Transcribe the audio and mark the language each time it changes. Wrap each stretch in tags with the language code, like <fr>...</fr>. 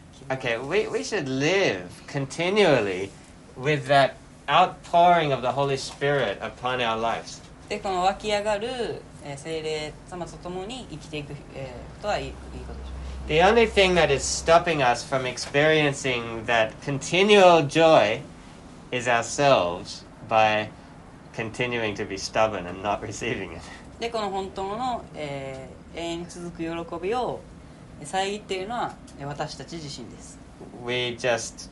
<en>Okay, we should live continually with that outpouring of the Holy Spirit upon our lives.</en> <ja>で、この湧き上がる聖霊様と共に生きていくことはいいことでしょう。</ja> <en>The only thing that is stopping us from experiencing that continual joy is ourselves by continuing to be stubborn and not receiving it.</en> <ja>で、この本当の、永遠に続く喜びを遮っているのは私たち自身です。</ja>